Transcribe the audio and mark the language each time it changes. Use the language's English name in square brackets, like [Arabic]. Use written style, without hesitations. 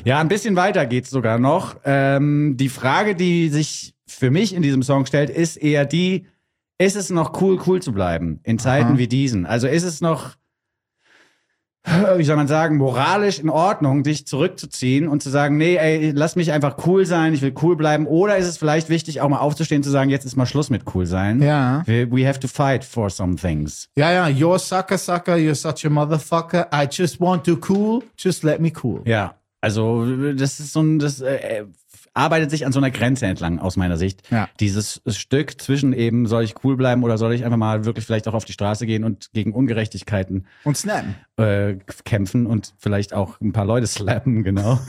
[German] Ja, ein bisschen weiter geht's sogar noch. Die Frage, die sich für mich in diesem Song stellt, ist eher die, ist es noch cool, cool zu bleiben in Zeiten wie diesen? Also ist es noch, wie soll man sagen, moralisch in Ordnung, dich zurückzuziehen und zu sagen, nee, ey, lass mich einfach cool sein, ich will cool bleiben. Oder ist es vielleicht wichtig, auch mal aufzustehen und zu sagen, jetzt ist mal Schluss mit cool sein. Ja. [English] We have to fight for some things. Ja, ja, you're sucker, sucker, you're such a motherfucker. I just want to cool, just let me cool. [German] Ja, also das ist so ein, das arbeitet sich an so einer Grenze entlang, aus meiner Sicht. Ja. Dieses Stück zwischen eben, soll ich cool bleiben oder soll ich einfach mal wirklich vielleicht auch auf die Straße gehen und gegen Ungerechtigkeiten und snappen. Kämpfen und vielleicht auch ein paar Leute slappen, genau.